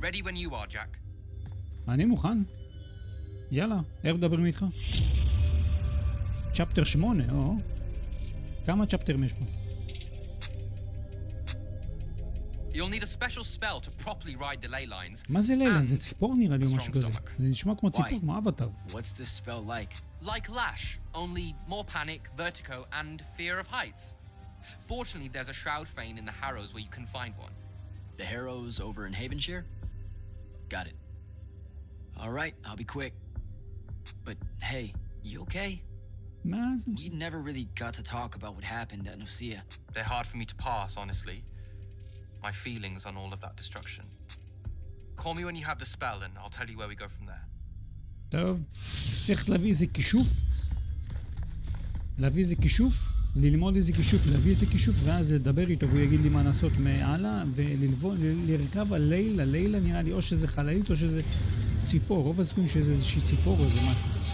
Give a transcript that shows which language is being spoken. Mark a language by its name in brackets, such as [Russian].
[English] Ready when you are, Jack. [Hebrew] אני מוכן. יאללה, ערב דברים איתך. צ'פטר 8, או? כמה צ'פטרים יש פה? [English] You'll need a special spell to properly ride the ley lines. [Hebrew] מה זה ליילן? זה ציפור נראה לי משהו כזה. זה נשמע כמו ציפור, כמו אבטר. [English] What's this spell like? Like Lash, only more panic, vertigo, and fear of heights. Fortunately, there's a shroud fane in the Harrows where you can find one. The Harrows over in Havenshire? Got it. All right, I'll be quick. But hey, you okay? Nah, we never really got to talk about what happened at Nosea. They're hard for me to pass, honestly. My feelings on all of that destruction. Call me when you have the spell and I'll tell you where we go from there. [Hebrew] טוב, צריך להביא איזה כישוף, להביא איזה כישוף, ללמוד איזה כישוף, להביא איזה כישוף, ואז לדבר איתו והוא יגיד לי מה לעשות מעלה, ולרכב על לילה, לילה נראה לי, או שזה חללית או שזה ציפור, רוב הזכויים שזה איזושהי ציפור או איזה משהו.